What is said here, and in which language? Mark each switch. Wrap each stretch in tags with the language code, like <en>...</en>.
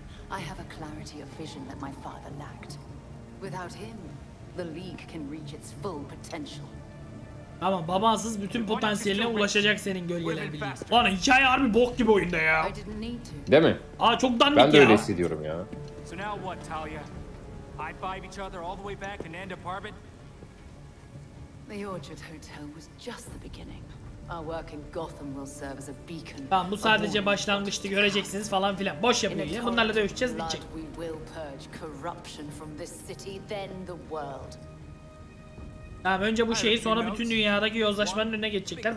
<en>I have a clarity of vision that my father lacked. Without him, the league can reach its full potential.</en> <tr>Ama babasız bütün potansiyeline ulaşacak senin gölgeler bilgisi. Lan hikaye harbi bok gibi oyunda ya. Değil mi? Aa, çok dandik ya. Ben de ya. Öyle hissediyorum ya.</tr> <en>So now what, Talia? High-five each other all the way back to Nanda Parbat? The Orchard Hotel was just the beginning. Our work in Gotham will serve as a beacon.</en> <tr>Tamam, bu sadece başlangıçtı, göreceksiniz falan filan. Boş yapın ya. Bunlarla dövüşeceğiz, bitecek.</tr> <en>We will purge corruption from this city, then the world.</en> <tr>Tamam, önce bu şeyi, sonra bütün dünyadaki yozlaşmanın önüne geçecekler.</tr>